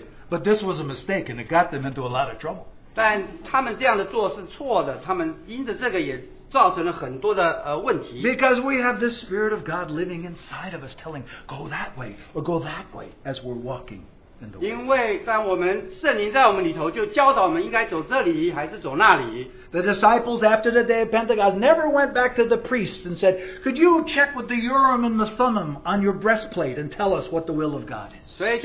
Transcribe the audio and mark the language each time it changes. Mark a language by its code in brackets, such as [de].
[en] But this was a mistake and it got them into a lot of trouble. [zh] 但他们这样的做是错的，他们因着这个也造成了很多的问题。 [en] Because we have this Spirit of God living inside of us telling, go that way or go that way as we're walking in the way. [zh] 因为当我们圣灵在我们里头就教导我们应该走这里还是走那里。 [en] The disciples after the day of Pentecost never went back to the priests and said, could you check with the Urim and the Thummim on your breastplate and tell us what the will of God is?